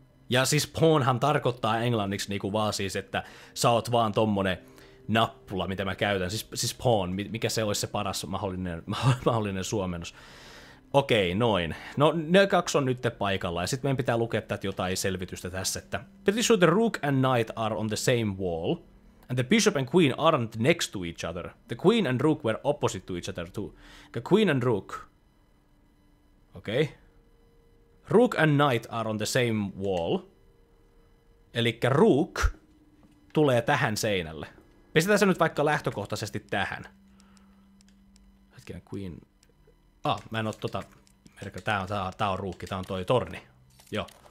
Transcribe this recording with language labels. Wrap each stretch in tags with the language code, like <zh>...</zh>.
<fi>Ja siis pawnhan tarkoittaa englanniksi niinku vaan siis, että sä oot vaan tommonen nappula, mitä mä käytän. Siis pawn, mikä se olisi se paras mahdollinen suomennos. Okei, noin. No, ne kaksi on nyt paikalla, ja sitten meidän pitää lukea tätä jotain selvitystä tässä, että</fi> <en>pretty sure the rook and knight are on the same wall. And the bishop and queen aren't next to each other. The queen and rook were opposite to each other too. The queen and rook. Okei. Okay. Rook and knight are on the same wall.</en> <fi>Elikkä rook tulee tähän seinälle. Pistetään se nyt vaikka lähtökohtaisesti tähän. Hetkinen, queen. Ah, mä en oo tota. Tää on rookki, tää on toi torni. Joo.</fi>